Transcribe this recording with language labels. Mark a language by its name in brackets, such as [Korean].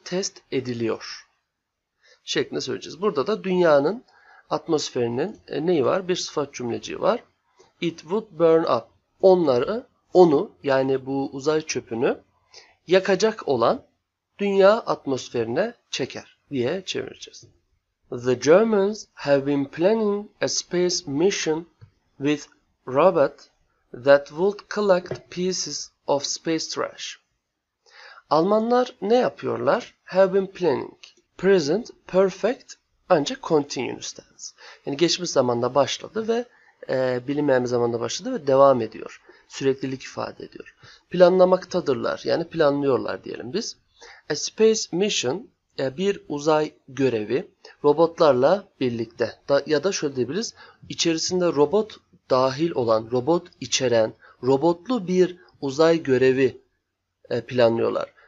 [Turkish] Test ediliyor. Şeklinde söyleyeceğiz. Burada da dünyanın atmosferinin neyi var? Bir sıfat cümleciği var. [English] It would burn up. [Turkish] Onları, onu yani bu uzay çöpünü yakacak olan dünya atmosferine çeker diye çevireceğiz. [English] The Germans have been planning a space mission with robot that would collect pieces of space trash. [Turkish] Almanlar ne yapıyorlar? [English] Have been planning. [Turkish] Present, perfect, ancak continuous tense. Yani geçmiş zamanda başladı ve bilinmeyen bir zamanda başladı ve devam ediyor. Süreklilik ifade ediyor. Planlamaktadırlar, yani planlıyorlar diyelim biz. [English] A space mission, [Turkish] bir uzay görevi robotlarla birlikte. Ya da şöyle diyebiliriz, içerisinde robot dahil olan, robot içeren, robotlu bir uzay görevi planlıyorlar.